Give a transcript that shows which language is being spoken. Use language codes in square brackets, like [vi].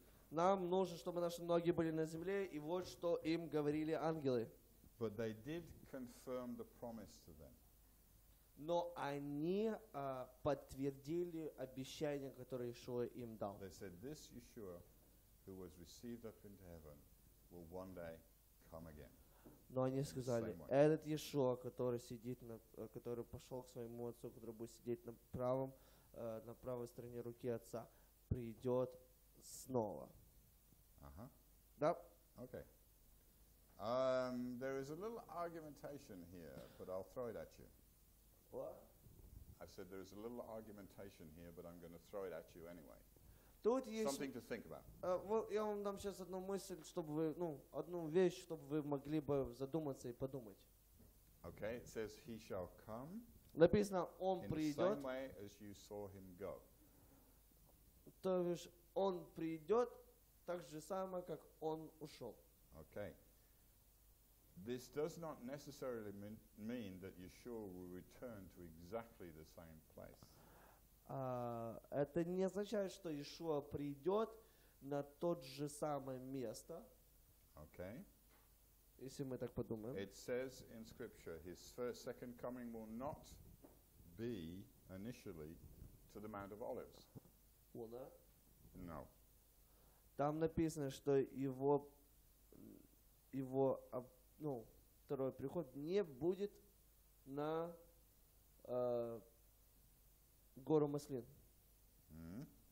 [ru] Нам нужно, чтобы наши ноги были на земле, и вот что им говорили ангелы. [en] But they did confirm the promise to them. [ru] Но они подтвердили обещание, которое Иешуа им дал. [en] They said, "This Yeshua, who was received up into heaven, will one day come again." [ru] Но они сказали, этот Иешуа, который сидит на, который пошел к своему отцу, который будет сидеть на правом, на правой стороне руки отца, придет снова. Ага. Да. [en] Okay. There is a little argumentation here, but I'll throw it at you. What? I said there is a little argumentation here, but I'm going to throw it at you anyway. [ru] Тут [en] something [ru] есть, [en] to think about. [ru] Я вам дам сейчас одну мысль, чтобы вы, ну, одну вещь, чтобы вы могли бы задуматься и подумать. [en] Okay, it says he shall come. [ru] Написано, он придет. [en] In the same way as you saw him go. [ru] То есть он придет так же самое, как он ушел. [en] Okay. This does not necessarily mean that Yeshua will return to exactly the same place. [ru] Это не означает, что Иешуа придет на то же самое место. [en] Okay. [ru] Если мы так подумаем. [en] It says in Scripture, his first, second coming will not be initially to the Mount of Olives. Well, that? No. [ru] Там написано, что его ну, второй приход не будет на гору Маслин. Mm-hmm.